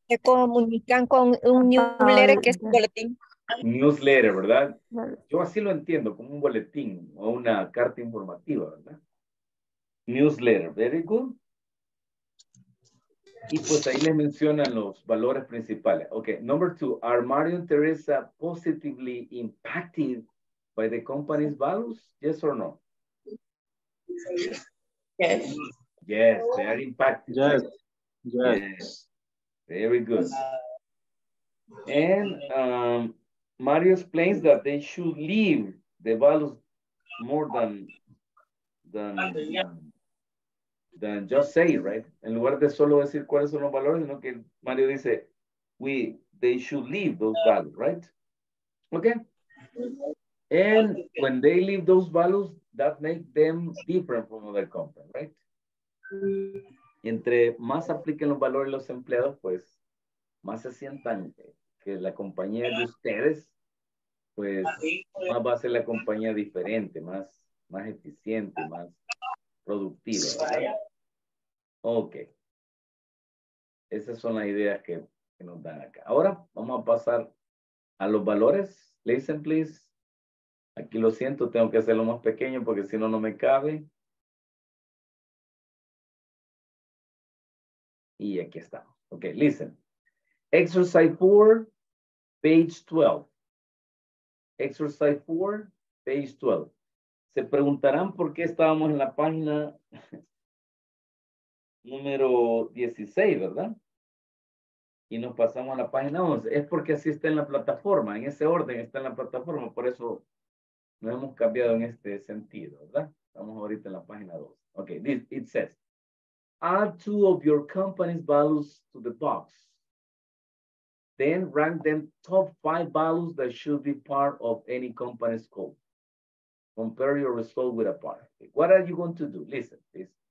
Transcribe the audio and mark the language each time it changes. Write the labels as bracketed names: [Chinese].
[Spanish] Se comunican con un newsletter que es un boletín. Newsletter, ¿verdad? Yo así lo entiendo, como un boletín o una carta informativa, ¿verdad? [English] Newsletter, very good. [Spanish] Y pues ahí les mencionan los valores principales. [English] Ok, number two, are Mario and Teresa positively impacted by the company's values? Yes or no? Yes. Yes, they are impacted. Yes. Yes. Very good. And Mario explains that they should leave the values more than just say, right? [Spanish] En lugar de solo decir cuáles son los valores, sino que Mario dice, [English] they should leave those values, right? Okay. And when they leave those values, that make them different from other companies, right? [Spanish] Entre más apliquen los valores los empleados, pues, más se sientan que la compañía de ustedes, pues, más va a ser la compañía diferente, más eficiente, más productiva, ¿verdad? Ok. Esas son las ideas que nos dan acá. Ahora vamos a pasar a los valores. [English] Listen, please. [Spanish] Aquí lo siento, tengo que hacerlo más pequeño porque si no, no me cabe. Y aquí estamos. [English] Ok, listen. Exercise 4, page 12. Exercise 4, page 12. [Spanish] Se preguntarán por qué estábamos en la página número 16, ¿verdad? Y nos pasamos a la página 11. Es porque así está en la plataforma, en ese orden está en la plataforma. Por eso nos hemos cambiado en este sentido, ¿verdad? Estamos ahorita en la página 12. [English] Ok, it says. Add two of your company's values to the box. Then rank them top five values that should be part of any company's code. Compare your result with a part. What are you going to do? Listen, please.